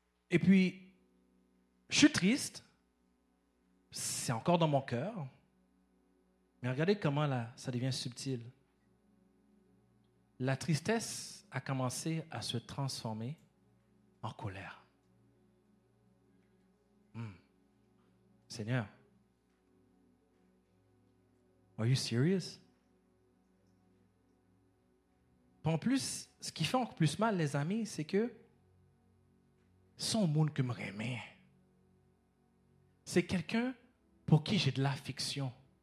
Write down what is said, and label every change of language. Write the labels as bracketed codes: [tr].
[fr] Et puis, je suis triste, c'est encore dans mon cœur, mais regardez comment là, ça devient subtil. La tristesse a commencé à se transformer en colère. [en] Seigneur, are you serious? [fr] En plus, ce qui fait encore plus mal, les amis, c'est que son monde que me remet, c'est quelqu'un pour qui j'ai de l'affection.